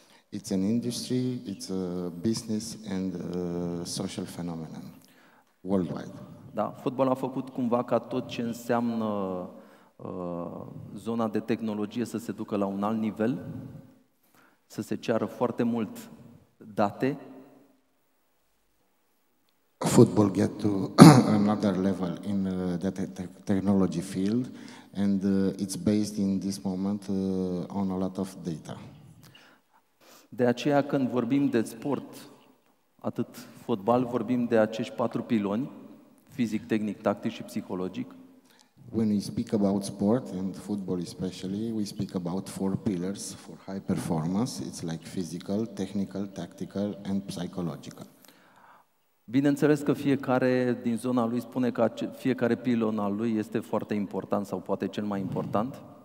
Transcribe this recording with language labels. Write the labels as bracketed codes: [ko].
[en] It's an industry, it's a business and a social phenomenon worldwide. [ro] Da, fotbalul a făcut cumva ca tot ce înseamnă zona de tehnologie să se ducă la un alt nivel, să se ceară foarte mult date. [en] Football get to another level in the technology field and it's based in this moment on a lot of data. [ro] De aceea când vorbim de sport, atât fotbal, vorbim de acești patru piloni, fizic, tehnic, tactic și psihologic. [en] When we speak about sport and football especially, we speak about four pillars for high performance. It's like physical, technical, tactical and psychological. [ro] Bineînțeles că fiecare din zona lui spune că fiecare pilon al lui este foarte important sau poate cel mai important.